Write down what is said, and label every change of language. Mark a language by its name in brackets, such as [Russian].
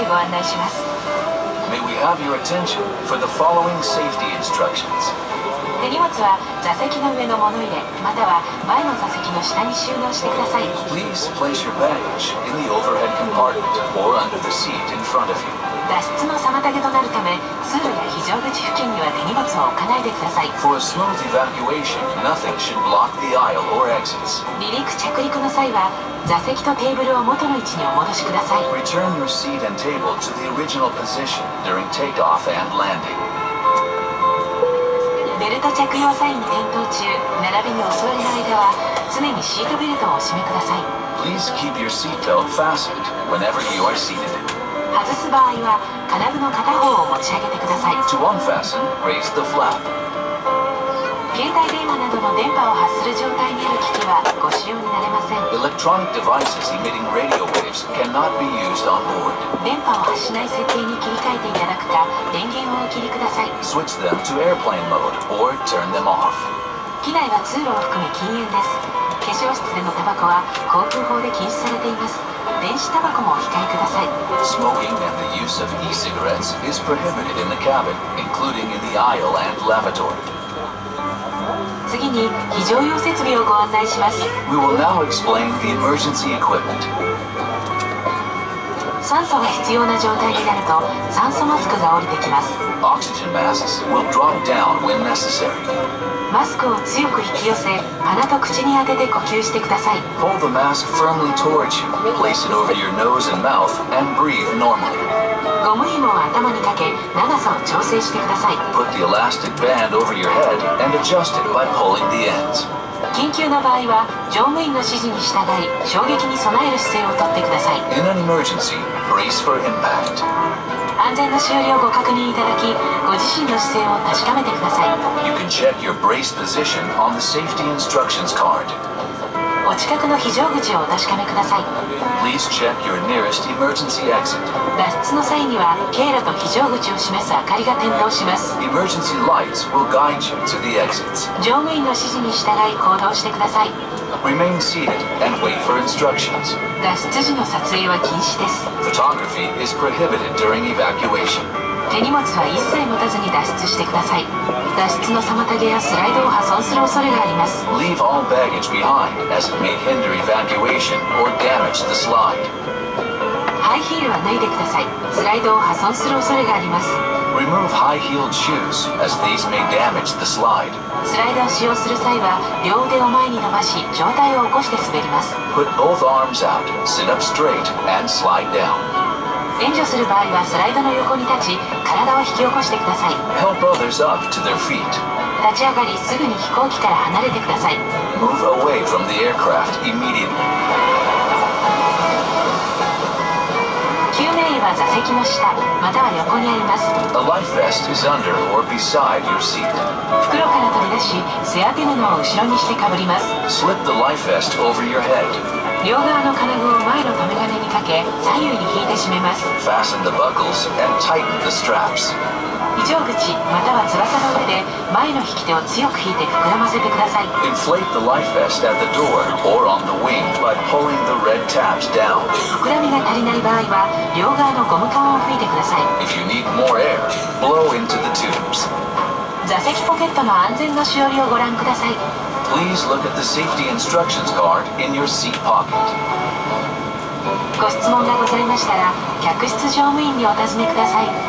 [English] May we have your attention for the following safety instructions. [Japanese] 手荷物は座席の上の物入れまたは前の座席の下に収納してください。 [English] Please place your baggage in the overhead compartment or under the seat in front of you. [Japanese] 脱出の妨げとなるため通路や非常口付近には手荷物を置かないでください。 [English] For a smooth evacuation, nothing should block the aisle or exits. [Japanese] 離陸着陸の際は座席とテーブルを元の位置にお戻しください。 [English] Return your seat and table to the original position during takeoff and landing. [Japanese] ベルト着用サインに点灯中、並びにお座りの間は常にシートベルトをお締めください。 [English] Please keep your seatbelt fastened whenever you are seated. [Japanese] 外す場合は金具の片方を持ち上げてください。 [English] To unfasten, raise the flap. [Japanese] 携帯電話などの電波を発する状態にある機器はご使用になれません。 [English] Electronic devices emitting radio waves cannot be used on board. [Japanese] 電波を発しない設定に切り替えていただくか電源を切りください。 [English] Switch them to airplane mode or turn them off. [Japanese] 機内は通路を含め禁煙です。化粧室でのタバコは航空法で禁止されています。電子タバコもお控えください。 [English] Smoking and the use of e-cigarettes is prohibited in the cabin, including in the aisle and lavatory. [Japanese] 次に非常用設備をご案内します。 [English] We will now explain the emergency equipment. [Japanese] 酸素が必要な状態になると酸素マスクが降りてきます。 [English] Oxygen masks will drop down when necessary. [Japanese] マスクを強く引き寄せ鼻と口に当てて呼吸してください。 [English] Pull the mask firmly towards you. Place it over your nose and mouth and breathe normally. [Japanese] ゴム紐を頭にかけ長さを調整してください。 [English] Put the elastic band over your head and adjust it by pulling the ends. [Japanese] 緊急の場合は乗務員の指示に従い衝撃に備える姿勢をとってください。 [English] In an emergency, brace for impact. [Japanese] 安全の終了をご確認いただきご自身の姿勢を確かめてください。 [English] You can check your brace position on the safety instructions card. [Japanese] お近くの非常口をお確かめください。 [English] Please check your nearest emergency exit. [Japanese] 脱出の際には経路と非常口を示す明かりが点灯します。 [English] Emergency lights will guide you to the exits. [Japanese] 乗務員の指示に従い行動してください。 [English] Remain seated and wait for instructions. [Japanese] 脱出時の撮影は禁止です。 [English] Photography is prohibited during evacuation. [Japanese] 手荷物は一切持たずに脱出してください。脱出の妨げやスライドを破損する恐れがあります。 [English] Leave all baggage behind as it may hinder evacuation or damage the slide. [Japanese] ハイヒールは脱いでください。スライドを破損する恐れがあります。 [English] Remove high-heeled shoes as these may damage the slide. [Japanese] スライドを使用する際は両腕を前に伸ばし上体を起こして滑ります。 [English] Put both arms out, sit up straight and slide down. [Japanese] 援助する場合はスライドの横に立ち体を引き起こしてください。 [English] Help others up to their feet. [Japanese] 立ち上がりすぐに飛行機から離れてください。 [English] Move away from the aircraft immediately. [Japanese] 救命衣は座席の下または横にあります。 [English] A life vest is under or beside your seat. [Japanese] 袋から取り出し背当て布を後ろにしてかぶります。 [English] Slip the life vest over your head. [Japanese] 両側の金具を前の留め金にかけ左右に引いて締めます。 [English] Fasten the buckles and tighten the straps. [Japanese] 非常口または翼の上で前の引き手を強く引いて膨らませてください。 [English] Inflate the life vest at the door or on the wing by pulling the red tabs down. [Japanese] 膨らみが足りない場合は両側のゴム管を吹いてください。 [English] If you need more air, blow into the tubes. [Japanese] 座席ポケットの安全のしおりをご覧ください。 [English] Please look at the safety instructions card in your seat pocket. [Japanese] ご質問がございましたら、客室乗務員にお尋ねください。